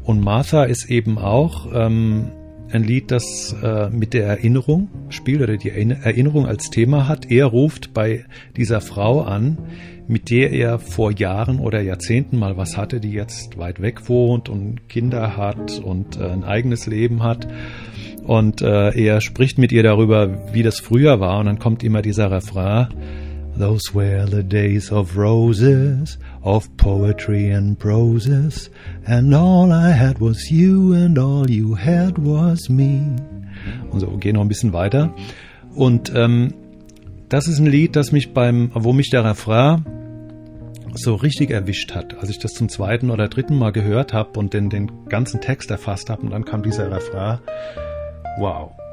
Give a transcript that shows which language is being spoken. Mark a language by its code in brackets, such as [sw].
[de] Und Martha ist eben auch ein Lied, das mit der Erinnerung spielt oder die Erinnerung als Thema hat. Er ruft bei dieser Frau an, mit der er vor Jahren oder Jahrzehnten mal was hatte, die jetzt weit weg wohnt und Kinder hat und ein eigenes Leben hat. Und er spricht mit ihr darüber, wie das früher war. Und dann kommt immer dieser Refrain: [en] Those were the days of roses, of poetry and proses, and all I had was you, and all you had was me. [de] Und so, gehen noch ein bisschen weiter. Und das ist ein Lied, wo mich der Refrain so richtig erwischt hat, als ich das zum zweiten oder dritten Mal gehört habe und den ganzen Text erfasst habe, und dann kam dieser Refrain. Wow.